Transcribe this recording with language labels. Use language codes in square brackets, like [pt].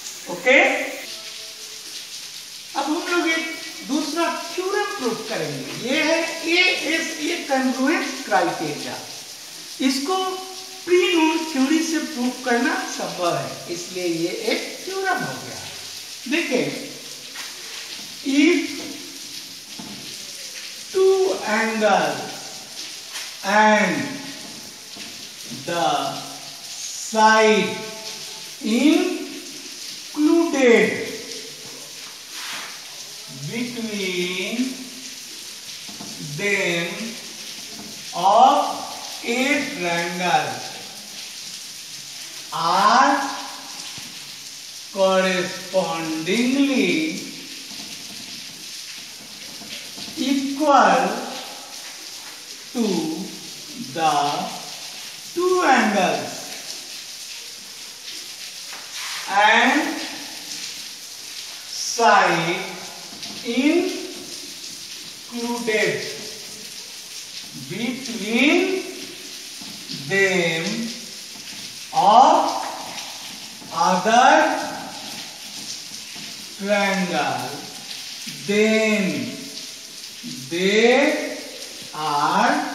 [hi] Okay, अब हम लोग एक दूसरा थ्योरम प्रूफ करेंगे, ये है ए एस ए कंग्रुएंस क्राइटेरिया. इसको प्री नोन थ्योरी से प्रूफ करना संभव है, इसलिए ये एक थ्योरम हो गया. [en] देखिए If two angles and the side included between them of a triangle are correspondingly equal to the two angles and side included between them of other triangle then they are